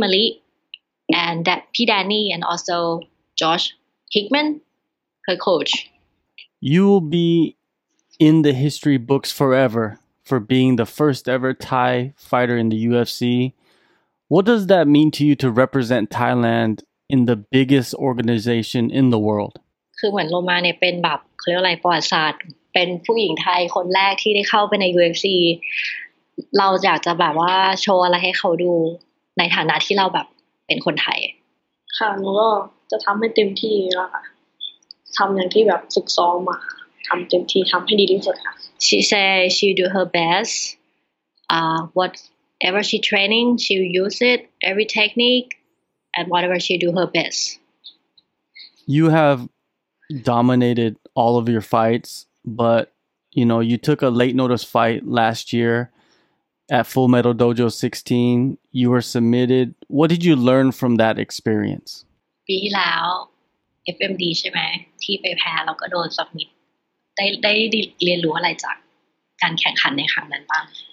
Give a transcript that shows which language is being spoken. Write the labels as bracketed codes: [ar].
[en] Malik, and that P. Danny, and also Josh Hickman, her coach. You will be in the history books forever for being the first ever Thai fighter in the UFC. What does that mean to you to represent Thailand in the biggest organization in the world? [th] คือเหมือนโลมาเนี่ยเป็นแบบเขาเรียกอะไรประวัติศาสตร์เป็นผู้หญิงไทยคนแรกที่ได้เข้าไปใน UFCเราอยากจะแบบว่าโชว์อะไรให้เขาดูในฐานะที่เราแบบเป็นคนไทย ค่ะหนูก็จะทำให้เต็มที่แล้วค่ะทำอย่างที่แบบฝึกซ้อมมาทำเต็มที่ทำให้ดีที่สุดค่ะ [en] She say she do her best whatever she training she use it every technique and whatever she do her best You have dominated all of your fights but you know you took a late notice fight last yearAt Full Metal Dojo 16, you were submitted. What did you learn from that experience? [th] ปีที่แล้ว FMD ใช่ไหมที่ไปแพ้แล้วก็โดนสับมิดได้เรียนรู้อะไรจากการแข่งขันในครั้งนั้นบ้าง